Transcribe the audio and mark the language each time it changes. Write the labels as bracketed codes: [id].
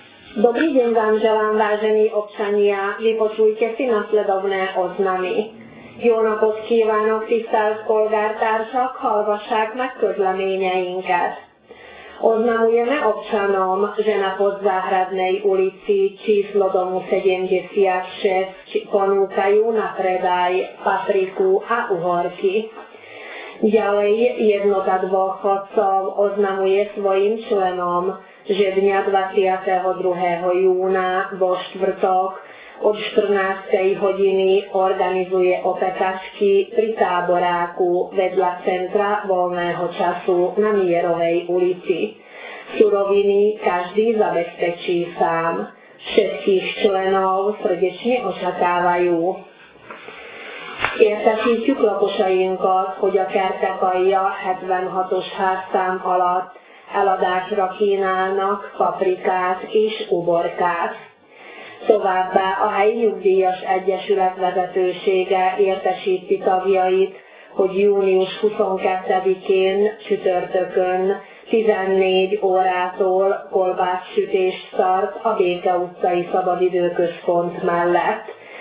[sk] Dobrý deň vám želám, vážení občania. Vypočujte si nasledovné oznamy. [hu] Jónapot kívánok, tisztelt polgártársak, hallgassák meg közleményeinket. [sk] Oznamujeme občanom, že na Podzáhradnej ulici číslo domu 76 ponúkajú na predaj papriku a uhorky. Ďalej jednota dôchodcov oznamuje svojim členom, že dňa 22. júna vo štvrtok od 14. hodiny organizuje opekačky pri táboráku vedľa centra voľného času na Mierovej ulici. Suroviny každý zabezpečí sám. Všetkých členov srdečne očakávajú. [hu] Értesítjük lakosainkat, hogy a Kertekaija 76-os házszám alatt eladásra kínálnak paprikát és uborkát. Továbbá a helyi nyugdíjas egyesület vezetősége értesíti tagjait, hogy június 22-én csütörtökön 14 órától kolbászsütést tart a Béke utcai szabadidőközpont mellett.